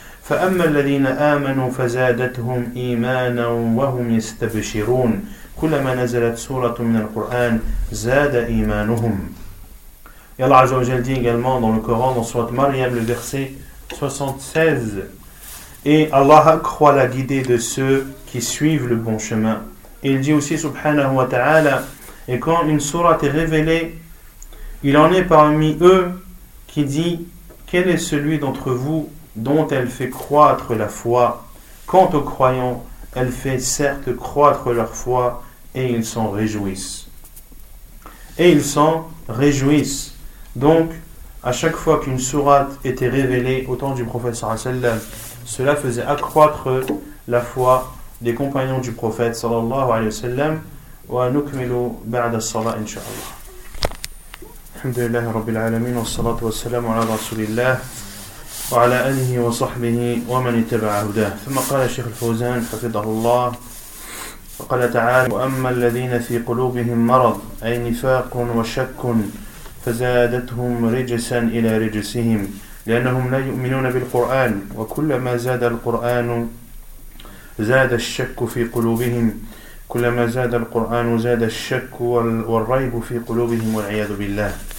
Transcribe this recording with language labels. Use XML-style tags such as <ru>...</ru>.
<ar>فأما الذين آمنوا فزادتهم إيمانا وهم يستبشرون كلما نزلت سورة من القرآن زاد إيمانهم.</ar> <fr>Et Allah Azza wa Jal dit également dans le Coran, dans Sourate Maryam, le verset 76, et Allah accroît la guidée de ceux qui suivent le bon chemin. Et il dit aussi subhanahu wa ta'ala, et quand une sourate est révélée, il en est parmi eux qui dit: quel est celui d'entre vous dont elle fait croître la foi? Quant aux croyants, elle fait certes croître leur foi et ils s'en réjouissent. Et ils s'en réjouissent. Donc, à chaque fois qu'une sourate était révélée au temps du prophète sallallahu alayhi wa sallam, cela faisait accroître la foi des compagnons du prophète sallallahu alayhi wa sallam.</fr> <ar>Wa nukmilu ba'da as-salat inshallah. Alhamdulillah rabbil alamin, as-salatu was-salamu ala rasulillah وعلى آله وصحبه ومن اتبع هداه. ثم قال الشيخ الفوزان حفظه الله، فقال تعالى: وأما الذين في قلوبهم مرض أي نفاق وشك فزادتهم رجسا إلى رجسهم، لأنهم لا يؤمنون بالقرآن، وكلما زاد القرآن زاد الشك في قلوبهم، كلما زاد القرآن زاد الشك والريب في قلوبهم والعياذ بالله.</ar>